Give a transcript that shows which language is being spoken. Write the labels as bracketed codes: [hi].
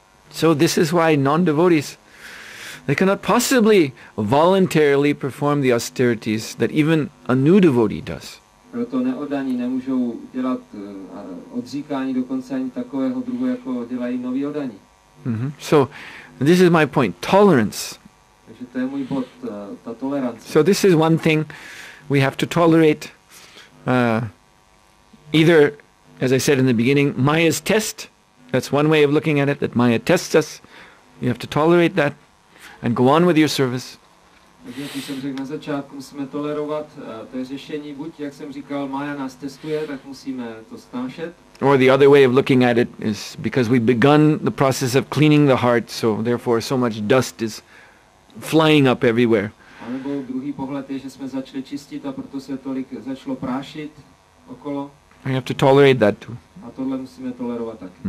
[en] So this is why non-devotees, they cannot possibly voluntarily perform the austerities that even a new devotee does. [cs] Proto neoddaní nemůžou dělat odříkání dokonce ani takového druhu, jako dělají noví oddaní. [en] Mm-hmm. So this is my point, tolerance. [cs] Takže to je můj bod, ta tolerance. [en] So this is one thing we have to tolerate, either, as I said in the beginning, Maya's test. That's one way of looking at it, that Maya tests us. You have to tolerate that and go on with your service. [cs] Takže, jak jsem řekl na začátku, musíme tolerovat, to je řešení, buď, jak jsem říkal, Maya nás testuje, tak musíme to snášet. [en] Or the other way of looking at it is because we've begun the process of cleaning the heart, so therefore so much dust is flying up everywhere. [cs] A nebo druhý pohled je, že jsme začali čistit a proto se tolik začalo prášit okolo. [en] We have to tolerate that too. [cs] A tohle musíme tolerovat taky.